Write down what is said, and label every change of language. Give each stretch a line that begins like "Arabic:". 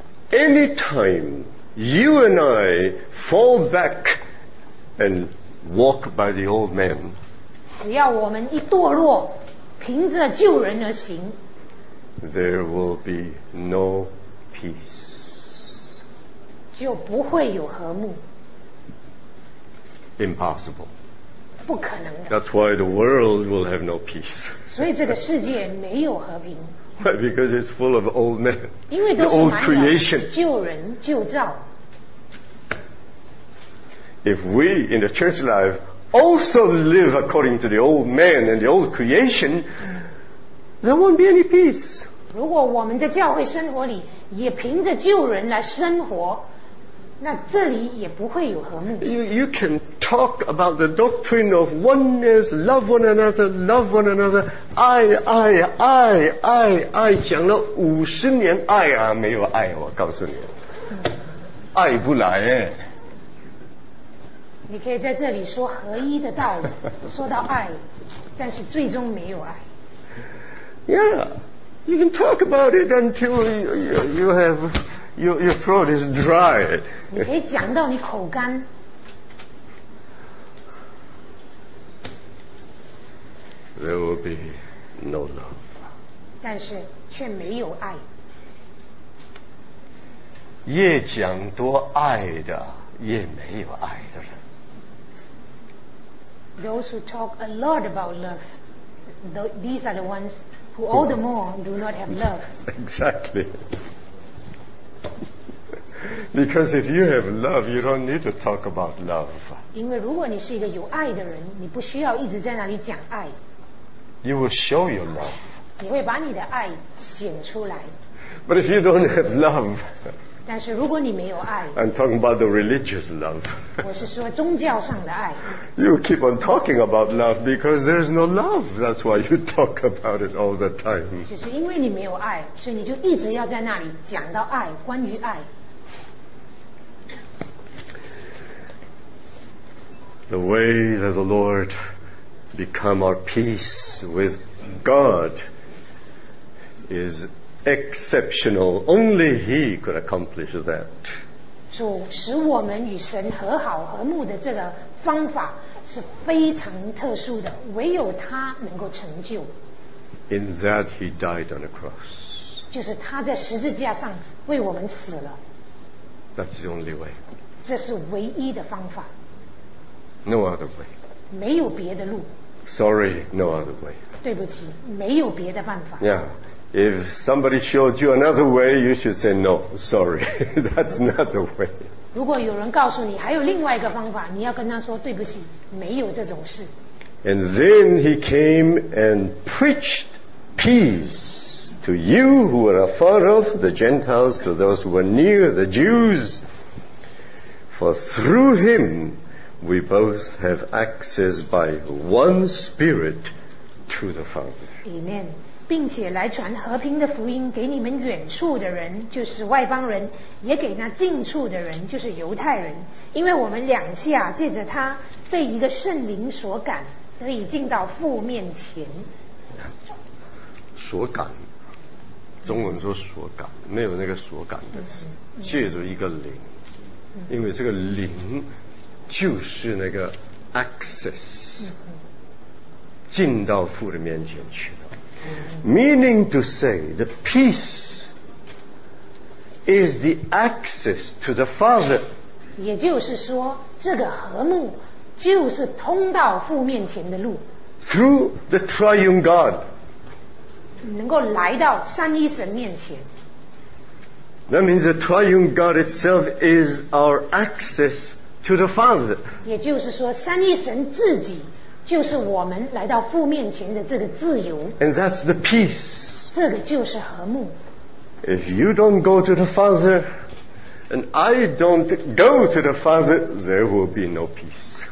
English: Anytime you and I fall back and walk by the old man,
Chinese: 只要我们一堕落。凭着旧人而行，
English: There will be no peace.
Chinese: 就不会有和睦。
English: Impossible.
Chinese: 不可能的。
English: That's why the world will have no peace.
Chinese: 所以这个世界没有和平。
English: Why? Because it's full of old men.
Chinese: 因为都是满了旧人旧造。
English: If we in the church life also live according to the old man and the old creation, there won't be any peace.
Chinese: 如果我们在教会生活里也凭着旧人来生活，那这里也不会有和睦。
English: You can talk about the doctrine of oneness, love one another, love one another,
Chinese: 爱爱爱爱爱，讲了五十年爱啊，没有爱我告诉你，爱不来耶。你可以在这里说合一的道理，说到爱，但是最终没有爱。
English: Yeah, you can talk about it until you have your throat is dry.
Chinese: 你可以讲到你口干。
English: There will be no love.
Chinese: 但是却没有爱。越讲多爱的，越没有爱的人。
English: Those who talk a lot about love, these are the ones who all the more do not have love. Exactly. Because if you have love, you don't need to talk about love.
Chinese: 因为如果你是一个有爱的人，你不需要一直在那里讲爱。
English: You will show your love.
Chinese: 你会把你的爱显出来。
English: But if you don't have love,
Chinese: 但是如果你没有爱，
English: I'm talking about the religious love.
Chinese: 我是说宗教上的爱。
English: You keep on talking about love because there's no love. That's why you talk about it all the time.
Chinese: 就是因为你没有爱，所以你就一直要在那里讲到爱，关于爱。
English: The way that the Lord become our peace with God is exceptional. Only he could accomplish that.
Chinese: 主使我们与神和好和睦的这个方法是非常特殊的，唯有他能够成就。
English: In that he died on the cross.
Chinese: 就是他在十字架上为我们死了。
English: That's the only way.
Chinese: 这是唯一的方法。
English: No other way.
Chinese: 没有别的路。
English: Sorry, no other way.
Chinese: 对不起，没有别的办法。
English: Yeah. If somebody showed you another way, you should say no, sorry, that's not the way.
Chinese: 如果有人告诉你还有另外一个方法，你要跟他说对不起，没有这种事。
English: And then he came and preached peace to you who were afar off, the Gentiles, to those who were near, the Jews. For through him we both have access by one Spirit to the Father. Amen.
Chinese: 并且来传和平的福音给你们远处的人，就是外邦人，也给那近处的人，就是犹太人。因为我们两下借着他被一个圣灵所感，得以进到父面前。所感，中文说所感，没有那个所感的词，借着一个灵，因为这个灵就是那个 access 进到父的面前去了。
English: Meaning to say, the peace is the access to the Father.
Chinese: 也就是说，这个和睦就是通到父面前的路。
English: Through the Triune God.
Chinese: 能够来到三一神面前。
English: That means the Triune God itself is our access to the Father.
Chinese: 也就是说，三一神自己就是我们来到父面前的这个自由。
English: And that's the peace.
Chinese: 这个就是和睦。
English: If you don't go to the Father, and I don't go to the Father, there will be no peace.